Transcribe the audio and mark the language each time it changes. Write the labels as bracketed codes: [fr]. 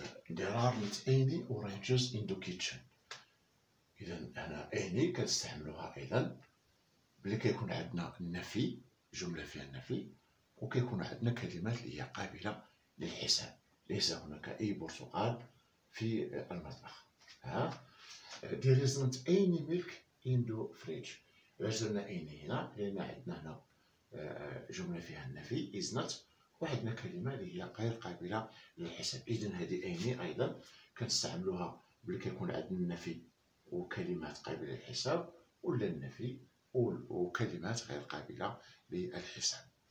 [en] There are not any oranges in the kitchen. [ar] إذا هنا any كنستعملوها أيضا بلي كيكون عندنا النفي، جملة فيها النفي، وكيكون عندنا كلمات اللي هي قابلة للحساب. ليس هناك أي برتقال في المطبخ. [en] There is not any milk in the fridge. [ar] علاش درنا any هنا؟ لأن عندنا هنا جملة فيها النفي [en] is not، [ar] وعندنا كلمة اللي هي غير قابلة للحساب. إذن هذه أيني أيضا كنستعملوها بلي كيكون عندنا النفي وكلمات قابلة للحساب، ولا النفي وكلمات غير قابلة للحساب.